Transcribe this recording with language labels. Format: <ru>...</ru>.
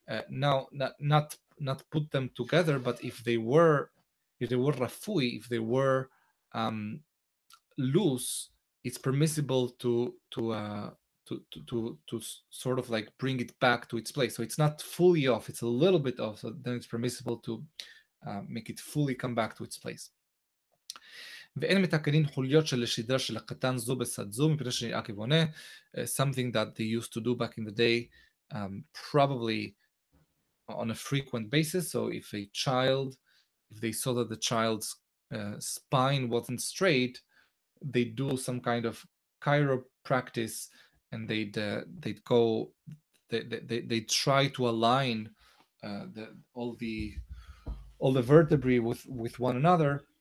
<en>Now, not put them together, but if they were rafui, if they were loose, it's permissible to sort of like bring it back to its place. So it's not fully off; it's a little bit off. So then it's permissible to make it fully come back to its place.</en> <he>ואין מתקנין חוליות של השדרה של הקטן זו בצד זו, מפני שנראה כבונה,</he> <en>something that they used to do back in the day, probably on a frequent basis. So if they saw that the child's spine wasn't straight, they do some kind of chiropractic, and they'd try to align all the vertebrae with one another.</en>